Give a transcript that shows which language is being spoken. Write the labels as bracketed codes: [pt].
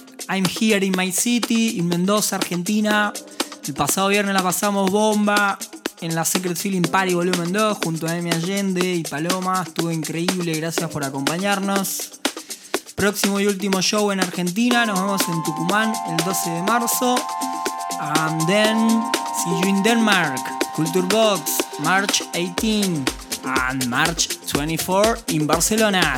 [en] I'm here in my city, in Mendoza, Argentina. [es] El pasado viernes la pasamos bomba en la Secret Feeling Party Volumen 2 junto a Emi Allende y Paloma. Estuvo increíble, gracias por acompañarnos. Próximo y último show en Argentina, nos vemos en Tucumán el 12 de marzo. [en] And then see you in Denmark, Culture Box, March 18 and March 24 in Barcelona.